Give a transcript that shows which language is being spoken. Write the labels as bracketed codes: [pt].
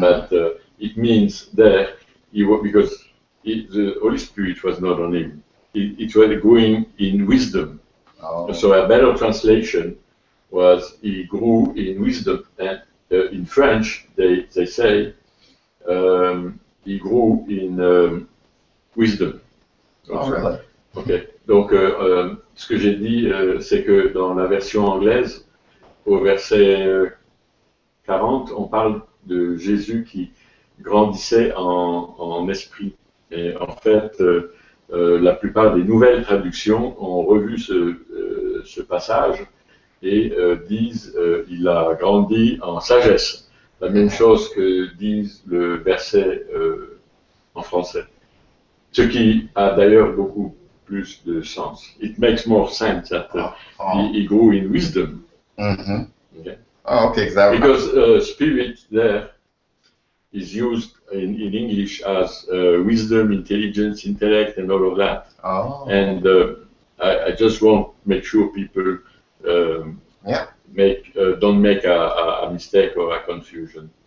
[en] but it means there he was, because he, the Holy Spirit was not on him. It was growing in wisdom. Oh. So a better translation was he grew in wisdom. And in French, they say he grew in wisdom. Oh, really? Okay. [fr] Donc, ce que j'ai dit, c'est que dans la version anglaise, au verset 40, on parle de Jésus qui grandissait en esprit. Et en fait, la plupart des nouvelles traductions ont revu ce passage et disent il a grandi en sagesse. La même chose que disent le verset en français. Ce qui a d'ailleurs beaucoup plus de sens. [en] It makes more sense that he grew in wisdom. Mm-hmm. Okay. Oh, okay, exactly. Because spirit there is used in English as wisdom, intelligence, intellect, and all of that. Oh. And I just want to make sure people don't make a mistake or a confusion.